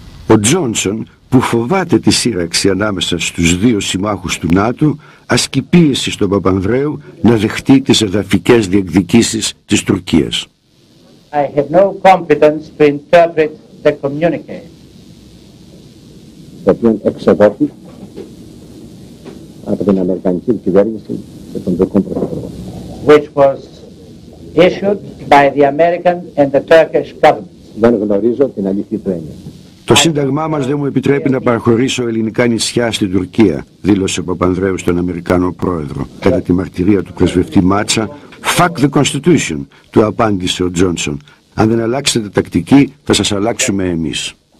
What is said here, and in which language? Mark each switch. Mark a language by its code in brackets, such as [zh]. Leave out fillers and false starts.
[el] Ο Τζόνσον, που φοβάται τη σύραξη ανάμεσα στους δύο συμμάχους του ΝΑΤΟ, ασκεί πίεση στον Παπανδρέου να δεχτεί τις εδαφικές διεκδικήσεις της Τουρκίας. [en] I have no confidence to interpret the communique. [el] Από την Αμερικανική κυβέρνηση και τον Τουρκό Πρωθυπουργό. [en] Which was issued by the American and the Turkish governments. [el] Δεν γνωρίζω την αλήθεια του έννοια. Το Σύνταγμά μας δεν μου επιτρέπει να παραχωρήσω ελληνικά νησιά στην Τουρκία, δήλωσε ο Παπανδρέου στον Αμερικανό πρόεδρο. Κατά τη μαρτυρία του πρεσβευτή Μάτσα, [en] fuck the Constitution, [el] του απάντησε ο Τζόνσον. Αν δεν αλλάξετε τακτική, θα σας αλλάξουμε εμείς.